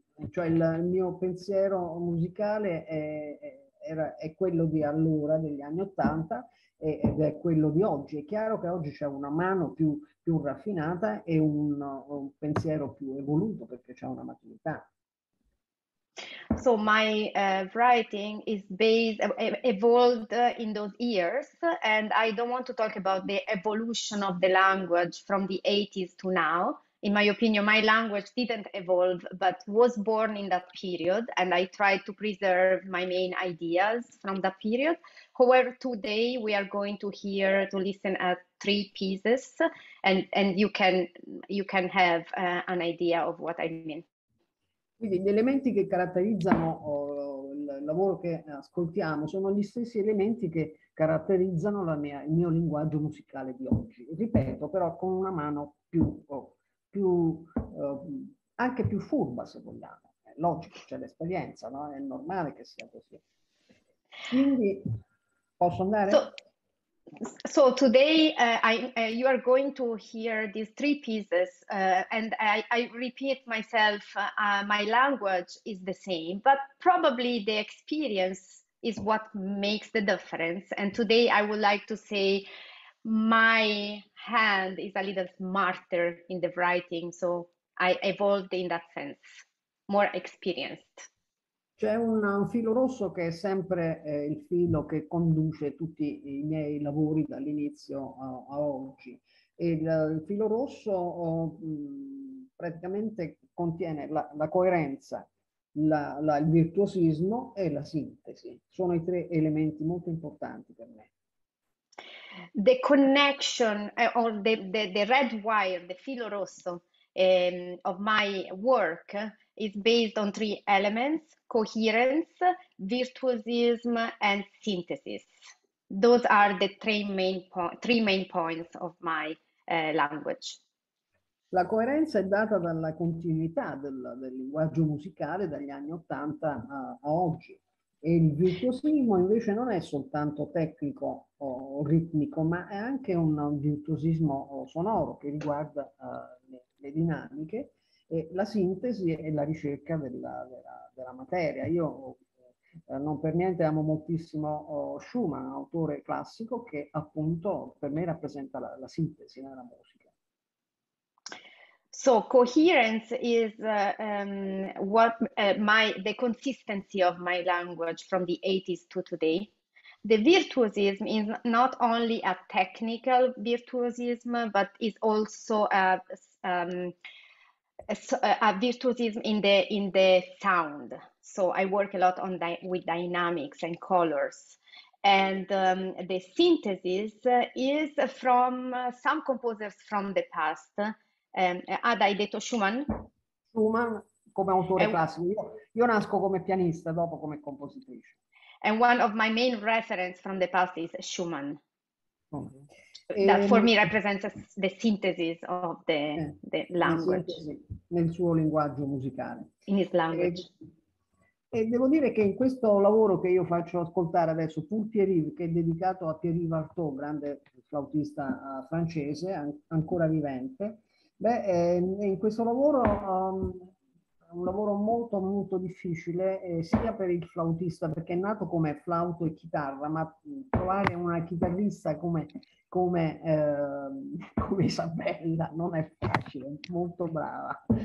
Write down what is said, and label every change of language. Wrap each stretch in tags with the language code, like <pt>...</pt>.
<it>Cioè il mio pensiero musicale è quello di allora, degli anni Ottanta, ed è quello di oggi. È chiaro che oggi c'è una mano più raffinata e un pensiero più evoluto, perché c'è una maturità.</it> <en>So my writing is based evolved in those years, and I don't want to talk about the evolution of the language from the 80s to now. In my opinion, my language didn't evolve, but was born in that period, and I tried to preserve my main ideas from that period. However, today we are going to hear, to listen at three pieces, and you can have an idea of what I mean.</en> <it>Quindi gli elementi che caratterizzano il lavoro che ascoltiamo sono gli stessi elementi che caratterizzano il mio linguaggio musicale di oggi. Ripeto, però con una mano anche più furba, se vogliamo. È logico, c'è l'esperienza, no? È normale che sia così. Quindi posso andare?</it> <en>So today you are going to hear these three pieces and I repeat myself, my language is the same, but probably the experience is what makes the difference. And today I would like to say my hand is a little smarter in the writing, so I evolved in that sense, more experienced.</en> <it>C'è un filo rosso che è sempre il filo che conduce tutti i miei lavori dall'inizio a oggi. Il filo rosso praticamente contiene la coerenza, il virtuosismo e la sintesi. Sono i tre elementi molto importanti per me.</it> <en>The connection, or the red wire, the filo rosso of my work is based on three elements: coherence, virtuosism, and synthesis. Those are the three main points of my language.</en> <it>La coerenza è data dalla continuità del linguaggio musicale dagli anni 80 a oggi. E il virtuosismo invece non è soltanto tecnico o ritmico, ma è anche un virtuosismo sonoro che riguarda le dinamiche. E la sintesi è la ricerca della materia. Io non per niente amo moltissimo Schumann, autore classico, che appunto per me rappresenta la sintesi nella musica.</it> <en>So coherence is the consistency of my language from the 80s to today. The virtuosism is not only a technical virtuosism, but is also a virtuosism in the sound. So I work a lot on with dynamics and colors. And the synthesis is from some composers from the past.</en> <it>Hai detto Schumann? Schumann come autore classico. Io nasco come pianista, dopo come compositrice.</it> <en>And one of my main reference from the past is Schumann. That for me represents the synthesis of the language.</en> <it>Nel suo linguaggio musicale.</it> <en>In his language.</en> <it>E devo dire che in questo lavoro che io faccio ascoltare adesso, Pour Thierry, che è dedicato a Thierry Vartaud, grande flautista francese, ancora vivente, in questo lavoro è un lavoro molto molto difficile, sia per il flautista, perché è nato come flauto e chitarra, ma trovare una chitarrista come Isabella non è facile, molto brava.</it>